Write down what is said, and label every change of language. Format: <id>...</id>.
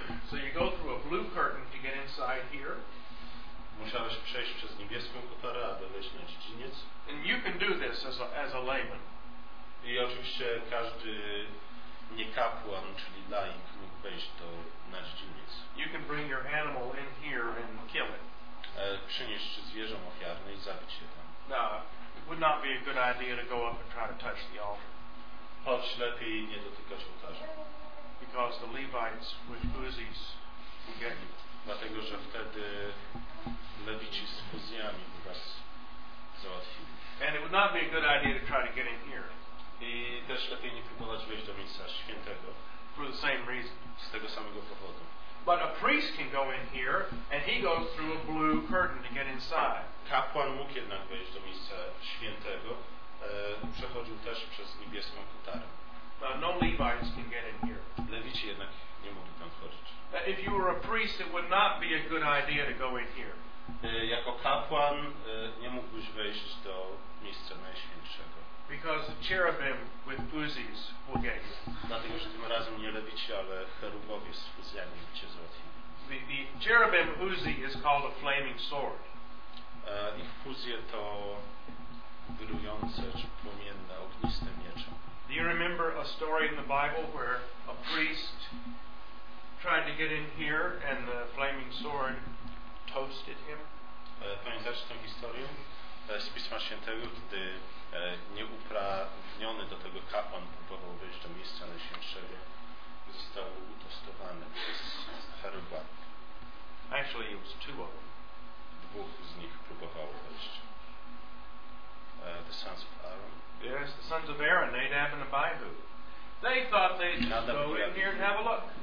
<en>So you go through a blue curtain to get inside here.</en> <pl>Musiałeś przejść przez niebieską kotarę, aby wejść na dziedziniec.</pl> <en>And you can do this as a layman.</en> <pl>I oczywiście każdy niekapłan, czyli laik, mógł wejść do na dziedziniec.</pl> <en>You can bring your animal in here and kill it.</en> <pl>Przynieść zwierzę ofiarne i zabić je tam.</pl> <en>No, it would not be a good idea to go up and try to touch the altar.</en> <pl>Choć lepiej nie dotykać ołtarza.</pl> <en>Because the Levites with Uzis will get you.</en> <pl>Dlatego, że wtedy lewici z Uziami by was załatwili.</pl> <en>And it would not be a good idea to try to get in here.</en> <pl>I też lepiej nie próbować wejść do miejsca świętego.</pl> <en>For the same reason.</en> <pl>Z tego samego powodu.</pl> <en>But a priest can go in here and he goes through a blue curtain to get inside.</en> <pl>Kapłan mógł jednak wejść do miejsca świętego. Przechodził też przez niebieską kotarę.</pl> <en>No Levites can get in here.</en> <pl>Lewici jednak nie mogli tam wchodzić.</pl> <en>If you were a priest, it would not be a good idea to go in here.</en> <pl>Jako kapłan nie mógłbyś wejść do miejsca najświętszego.</pl> <en>Because the cherubim with Uzis will get you.</en> <pl>Dlatego, że tym razem nie lewici, ale cherubowie z Uziami cię załatwili.</pl> <en>The cherubim Uzi is called a flaming sword.</en> <pl>Ich fuzje to wirujące czy płomienne ogniste miecze.</pl> <en>Do you remember a story in the Bible where a priest tried to get in here and the flaming sword toasted him?</en> <pl>Pamiętacie tę historię z Pisma Świętego, gdy nieuprawniony do tego kapłan próbował wejść do miejsca najświętszego, został utostowany przez cheruba.</pl> <en>Actually, it was two of them.</en> <pl>Dwóch z nich próbowało wejść.</pl> <en>The sons of Aaron. Yes, the sons of Aaron, Nadab and Abihu. They thought they'd just go in here and have a look.</en>